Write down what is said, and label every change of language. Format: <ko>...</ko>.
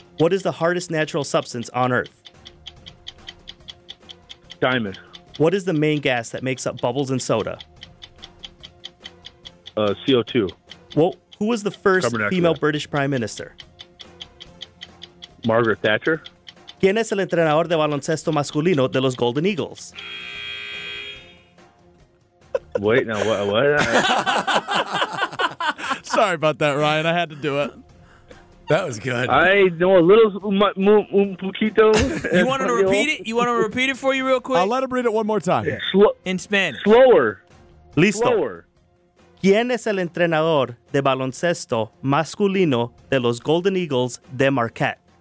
<en>What is the hardest natural substance on Earth? Diamond. What is the main gas that makes up bubbles in soda? CO2. Well, who was the first female British Prime Minister? Margaret Thatcher.</en> <es>¿Quién es el entrenador de baloncesto masculino de los Golden Eagles?</es> <en>Wait, now what? Sorry about that, Ryan. I had to do it. That was good. I know a little poquito. You want him to repeat it? You want him to repeat it for you real quick? I'll let him read it one more time. Yeah. In Spanish. Slower.</en> <es>Listo.</es> <en>Slower.</en> <es>¿Quién es el entrenador de baloncesto masculino de los Golden Eagles de Marquette?</es>